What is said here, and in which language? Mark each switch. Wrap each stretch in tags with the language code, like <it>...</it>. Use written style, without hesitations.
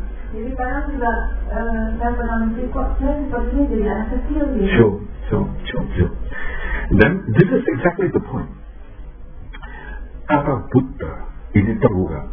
<id>jadi kadang juga saya pernah mikir kok saya sepertinya jadi anak kecil gitu.</id> <en>Sure. Then this is exactly the point.</en> <id>Kata Buddha ini terbuka.</id>